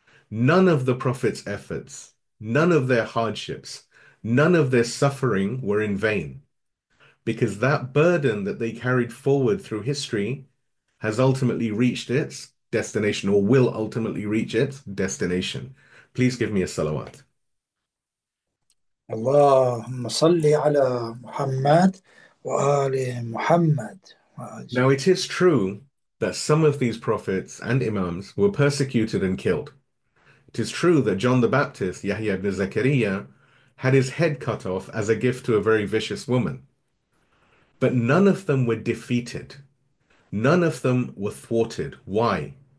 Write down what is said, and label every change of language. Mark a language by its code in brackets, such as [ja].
[en] None of the prophets' efforts, none of their hardships, none of their suffering were in vain, because that burden that they carried forward through history has ultimately reached its destination, or will ultimately reach its destination. Please give me a salawat. [ar] اللهم صل على محمد وآل محمد وآجل. [en] Now, it is true that some of these prophets and imams were persecuted and killed. It is true that John the Baptist, Yahya ibn Zechariah, had his head cut off as a gift to a very vicious woman. But none of them were defeated. None of them were thwarted. Why?